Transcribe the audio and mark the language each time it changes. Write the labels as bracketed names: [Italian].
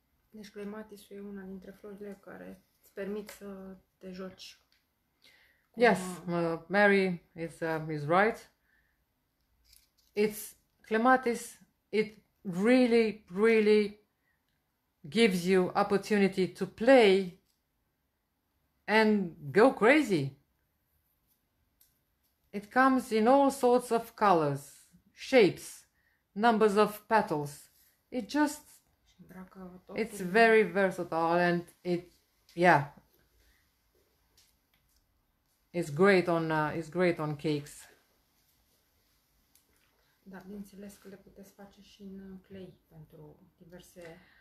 [Romanian] Deci clematisul e una dintre florile care îți permit să te joci. [English] Yes, Mary is right. It's clematis, it really, really gives you opportunity to play and go crazy. It comes in all sorts of colors, shapes, numbers of petals. It just, it's very versatile and it, yeah, it's great on cakes. [Romanian] Da, bineînțeles că le puteți face și în clay pentru diverse.